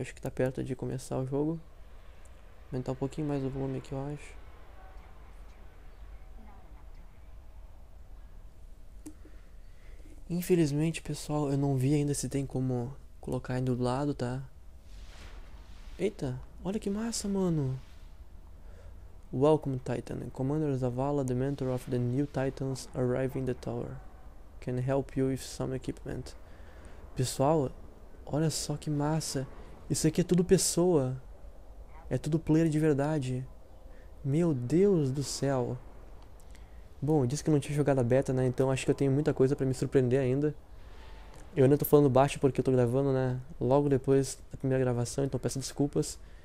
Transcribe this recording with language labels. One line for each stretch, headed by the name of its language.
Portuguese: Acho que tá perto de começar o jogo. Aumentar um pouquinho mais o volume aqui, eu acho. Infelizmente, pessoal, eu não vi ainda se tem como colocar ainda do lado, tá? Eita, olha que massa, mano.
English: Welcome, Titan. Commander Zavala, the mentor of the new Titans, arriving the tower. Can help you with some equipment.
Portuguese: Pessoal, olha só que massa. Isso aqui é tudo pessoa. É tudo player de verdade. Meu Deus do céu. Bom, disse que não tinha jogado a beta, né? Então acho que eu tenho muita coisa para me surpreender ainda. Eu ainda tô falando baixo porque eu tô gravando, né? Logo depois da primeira gravação, então peço desculpas.